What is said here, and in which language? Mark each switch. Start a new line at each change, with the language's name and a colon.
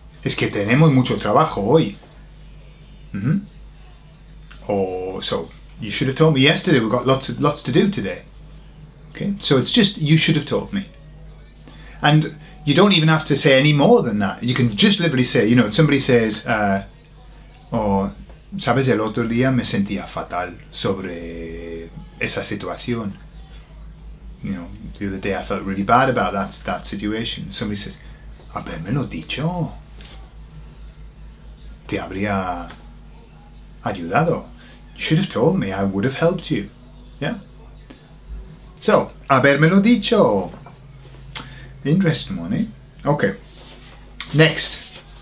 Spanish: Es que tenemos mucho trabajo hoy. Mm-hmm.
English: Oh, so you should have told me yesterday. We've got lots to do today. Okay, so it's just, you should have told me. And you don't even have to say any more than that. You can just literally say, you know, somebody says, ¿sabes?
Spanish: El otro día me sentía fatal sobre esa situación.
English: You know, the other day I felt really bad about that situation. Somebody says,
Spanish: habérmelo dicho. Te habría ayudado.
English: You should have told me, I would have helped you. Yeah? So,
Spanish: habérmelo dicho.
English: Interesting one, eh? Okay. Next.